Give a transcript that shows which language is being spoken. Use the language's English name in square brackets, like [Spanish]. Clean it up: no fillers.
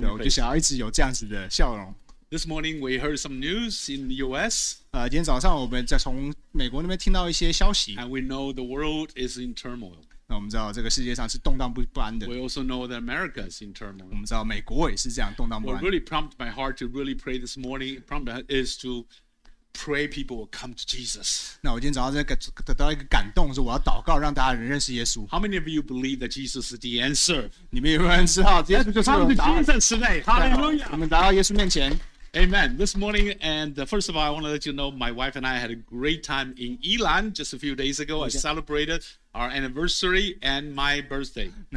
[Chinese] 对，我就想要一直有这样子的笑容。 [English] This morning we heard some news in the US. [Chinese] 今天早上我们在从美国那边听到一些消息。 [English] And we know the world is in turmoil. [Chinese] 那我们知道这个世界上是动荡不安的。 [English] We also know that America is in turmoil. [Chinese] 我们知道美国也是这样动荡不安。 [English] What really prompted my heart to really pray this morning is to pray people will come to Jesus. [Chinese] 那我今天早上得到一个感动，是我要祷告，让大家人认识耶稣。 [English] How many of you believe that Jesus is the answer? [Chinese] 你们有没有人知道，耶稣就是我们答案？ [English] Hallelujah! [Chinese] 我们来到耶稣面前。 [English] Amen. This morning, and first of all, I want to let you know my wife and I had a great time in Yilan just a few days ago. I celebrated our anniversary and my birthday.